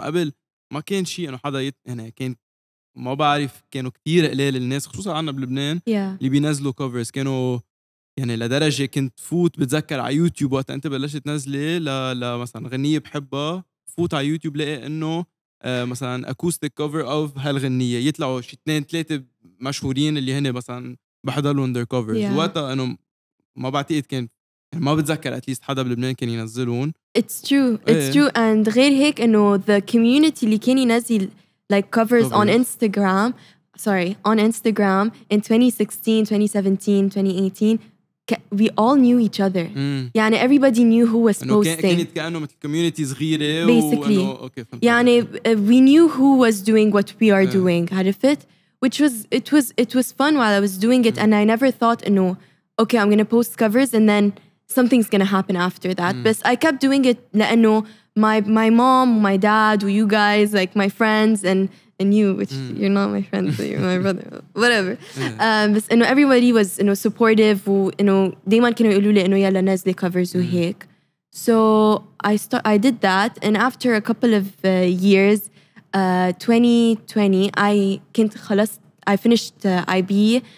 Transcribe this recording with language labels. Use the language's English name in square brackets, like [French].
[English] But before, there wasn't anything that someone was... [Arabic] ما بعرف كانوا كتير قليل الناس خصوصا عنا بلبنان [English] yeah. [Arabic] اللي بينزلوا كوفرز كانوا يعني لدرجة كنت فوت بتذكر على يوتيوب وقت انت بلشت تنزلي لمثلا غنية بحبها فوت على يوتيوب لقي انه مثلا [English] acoustic cover of [Arabic] هالغنية يطلعوا شي 2-3 مشهورين اللي هني مثلا بحضرلهم [English] their covers yeah. [Arabic] وقتها انه ما بعتقد كان يعني ما بتذكر اتليست حدا بلبنان كان ينزلون [English] It's true and [Arabic] غير هيك انه [English] the community [Arabic] اللي كان ينزل [English] Like covers on Instagram, on Instagram in 2016, 2017, 2018, we all knew each other. يعني everybody knew who was posting. [Arabic] كأنه مثل community صغيرة. [English] Basically. Okay, يعني we knew who was doing what we are doing. [Arabic] عرفت? [English] Which was, it was fun while I was doing it. And I never thought, okay, I'm going to post covers and then something's gonna happen after that. Mm. But I kept doing it لأنه my mom, my dad, you guys, like my friends and you, which mm. you're not my friend, so you're my brother, whatever. [Arabic] بس إنه [English] everybody was supportive [Arabic] وإنه دايما كانوا يقولوا لي إنه يلا نزلي covers وهيك. [English] So I did that, and after a couple of years, 2020, I finished IB.